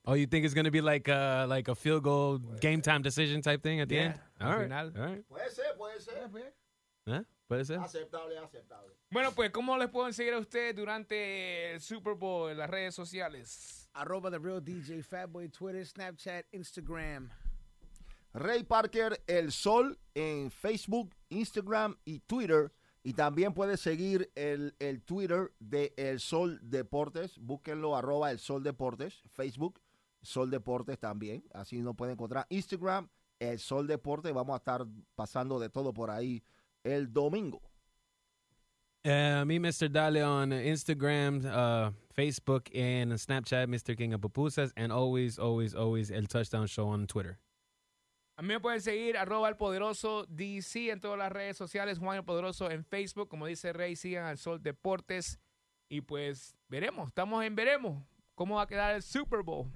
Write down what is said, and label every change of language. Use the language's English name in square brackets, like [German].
[English] Oh, you think it's going to be like a field goal game time decision type thing at the end? All right. Final. All right. [Spanish] Puede ser. ¿Eh? Puede ser. Aceptable. Bueno, pues, ¿cómo les pueden seguir a ustedes durante el Super Bowl en las redes sociales? @TheRealDJFatboy, Twitter, Snapchat, Instagram. Ray Parker El Sol en Facebook, Instagram y Twitter. Y también puedes seguir el Twitter de El Sol Deportes. Búsquenlo, @ElSolDeportes. Facebook, Sol Deportes también. Así nos pueden encontrar. Instagram, El Sol Deportes. Vamos a estar pasando de todo por ahí el domingo. [English] Me, Mr. Dale, on Instagram, Facebook, and Snapchat, Mr. King of Pupusas. And always, always, always, El Touchdown Show on Twitter. [Spanish] A mí me pueden seguir @ElPoderosoDC en todas las redes sociales, Juan El Poderoso en Facebook. Como dice Rey, sigan al Sol Deportes. Y pues veremos, estamos en cómo va a quedar el Super Bowl.